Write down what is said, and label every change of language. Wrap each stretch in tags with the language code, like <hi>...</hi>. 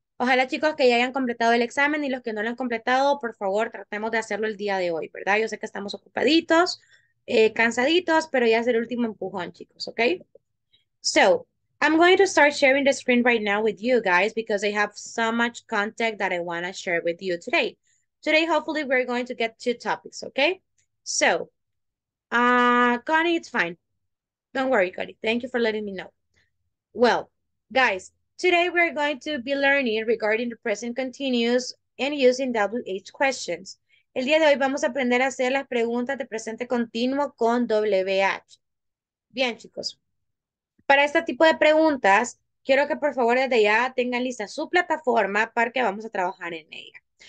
<es>Ojalá, chicos, que ya hayan completado el examen y los que no lo han completado, por favor, tratemos de hacerlo el día de hoy, ¿verdad? Yo sé que estamos ocupaditos, cansaditos, pero ya es el último empujón, chicos, okay?</es> <en>So, I'm going to start sharing the screen right now with you guys because I have so much content that I want to share with you today. Today, hopefully, we're going to get 2 topics, okay? So, Connie, it's fine. Don't worry, Connie. Thank you for letting me know. Well, guys, today we're going to be learning regarding the present continuous and using WH questions.</en> <es>El día de hoy vamos a aprender a hacer las preguntas de presente continuo con WH. Bien, chicos. Para este tipo de preguntas, quiero que por favor desde ya tengan lista su plataforma para que vamos a trabajar en ella.</es>